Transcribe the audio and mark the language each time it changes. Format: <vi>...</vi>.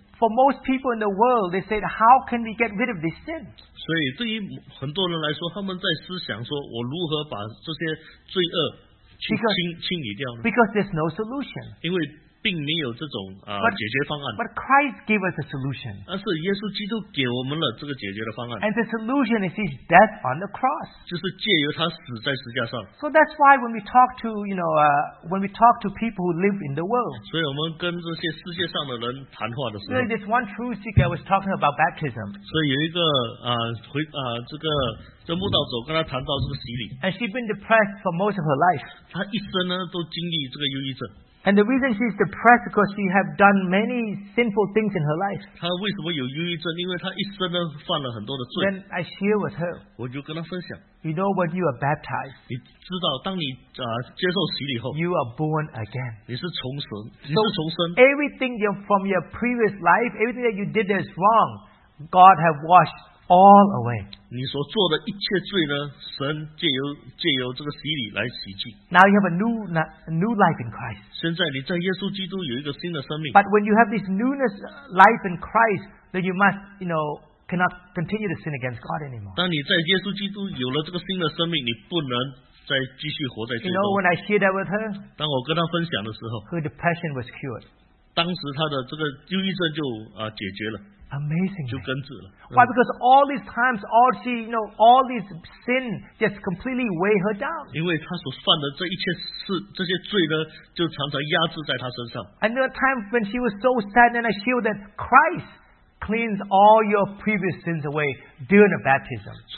<en>for most people in the world, they said, how can we get rid of this sin?</en> <zh>所以对于很多人来说，他们在思想说，我如何把这些罪恶</zh> <en>Because there's no solution.</en> <zh>因为并没有这种解决方案。</zh> <en>But Christ gave us a solution.</en> <zh>而是耶稣基督给我们了这个解决的方案。</zh> <en>And the solution is his death on the cross.</en> <zh>就是借由他死在十字架上。</zh> <en>So that's why when we talk to, you know, when we talk to people who live in the world,</en> <zh>所以我们跟这些世界上的人谈话的时候,</zh> <en>there's this one true seeker I was talking about baptism.</en> <zh>所以有一个这个</zh> <en>And she's been depressed for most of her life.</en> <zh>她一生呢, 都经历这个忧郁症。</zh> <en>And the reason she's depressed is because she has done many sinful things in her life. Then I share with her. You know, when you are baptized,</en> <zh>你知道当你, 接受洗礼后,</zh> <en>you are born again.</en> <zh>你是重生,</zh> <en>so everything from your previous life, everything that you did that is wrong, God has washed all away.</en> <zh>你所做的一切罪呢, 神藉由这个洗礼来洗净。</zh> <en>Now you have a new life in Christ.</en> <zh>现在你在耶稣基督有一个新的生命。</zh> <en>But when you have this newness life in Christ, then you must, you know, cannot continue to sin against God anymore.</en> <zh>当你在耶稣基督有了这个新的生命, 你不能再继续活在罪中。</zh> <en>You know, when I shared that with her,</en> <zh>当我跟她分享的时候,</zh> <en>her depression was cured.</en> <zh>当时她的这个忧郁症就, 解决了。</zh> <en>Amazing.</en> <zh>就根治了,</zh> <en>why? Because all these times, all she, you know, all these sin just completely weigh her down.</en> <zh>因为她所犯的这一切事,这些罪呢,就常常压制在她身上.</zh> <en>And there were times when she was so sad, and I feel that Christ cleans all your previous sins away during the baptism.</en>